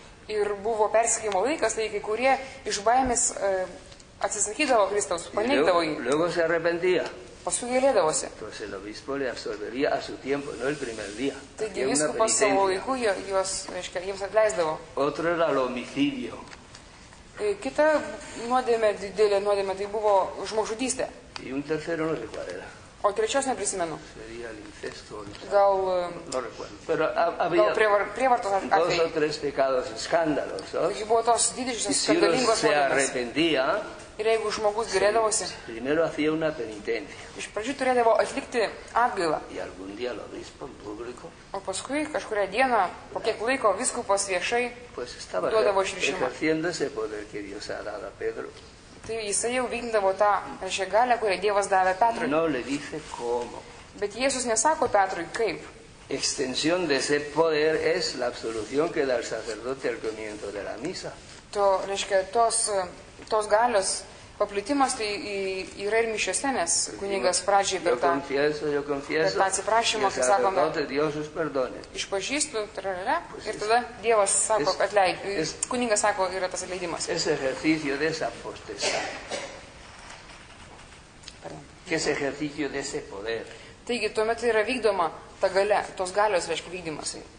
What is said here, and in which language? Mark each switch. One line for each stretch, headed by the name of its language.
Lithuanian: Ir buvo persekėjimo laikas, tai kai kurie iš baimės atsisakydavo Kristaus, paneigdavo jį.
Spanish: Luego se arrepentía.
Lithuanian: Paskui gailėdavosi.
Spanish: Pues el obispo le absolvería a su tiempo, no el primer día.
Lithuanian: Taigi vyskupas savo laiku jiems atleisdavo.
Spanish: Otro era el homicidio.
Lithuanian: Kita nuodėmė, didelė nuodėmė, tai buvo žmogžudystė.
Spanish: Y un tercero no sé cuál era.
Lithuanian: O trečios neprisimenu.
Spanish: Sería el incesto.
Lithuanian: Gal,
Spanish: no recuerdo. Pero había
Lithuanian: prievartos atvejai.
Spanish: Dos o tres pecados escandalosos.
Lithuanian: Taigi buvo tos didžiosios skandalingos nuodėmės.
Spanish: Y si se arrepentía,
Lithuanian: ir jeigu žmogus gerėdavosi,
Spanish: primero hacía una penitencia.
Lithuanian: Iš pradžių turėdavo atlikti atgailą.
Spanish: Y algún día el obispo en público.
Lithuanian: O paskui kažkurią dieną, po kiek laiko, vyskupas viešai
Spanish: pues estaba
Lithuanian: duodavo išrišimą.
Spanish: Ejerciendo ese poder que Dios ha dado a Pedro.
Lithuanian: Tai jisai jau vykdavo tą šią galę, kurią Dievas davė Petrui.
Spanish: No le dice cómo.
Lithuanian: Bet Jėzus nesako Petrui kaip.
Spanish: Extensión de ese poder es la absolución que da el sacerdote al comienzo de la misa.
Lithuanian: To, reiškia, tos galios paplitimas tai yra ir mišiose, nes kunigas pradžiai per tą atsiprašymą, kaip sakome, išpažįstu, tra-ra-ra, ir tada Dievas sako, atleid, kunigas sako, yra tas atleidimas.
Spanish: Es ejercicio de esa potestad. Perdón. Es ejercicio de ese poder.
Lithuanian: Taigi, tuomet yra vykdoma ta galia, tos galios, reiškia, vykdymas.